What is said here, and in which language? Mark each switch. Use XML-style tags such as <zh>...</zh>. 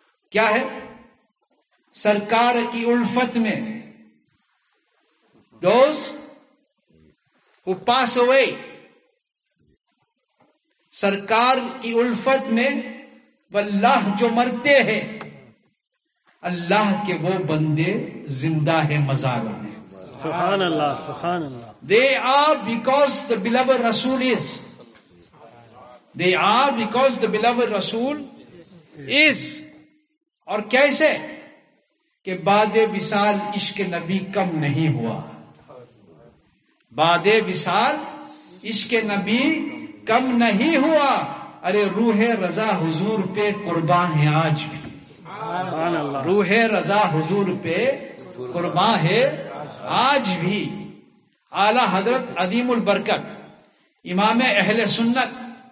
<ur>کیا ہے سرکار کی الفت میں</ur> <en>those who pass away</en> <ur>سرکار کی الفت میں واللہ جو مرتے ہیں اللہ کے وہ بندے زندہ ہیں مزار میں</ur> <ar>سبحان اللہ سبحان اللہ</ar> <en>they are because the beloved Rasul is They are because the beloved Rasul is.</en> <ur>اور کیسے کہ بعد وصال عشق نبی کم نہیں ہوا بعد وصال عشق نبی کم نہیں ہوا ارے روح رضا حضور پہ قربان ہے آج بھی روح رضا حضور پہ قربان ہے آج بھی اعلی حضرت عدیم البرکت امام اہل سنت</ur>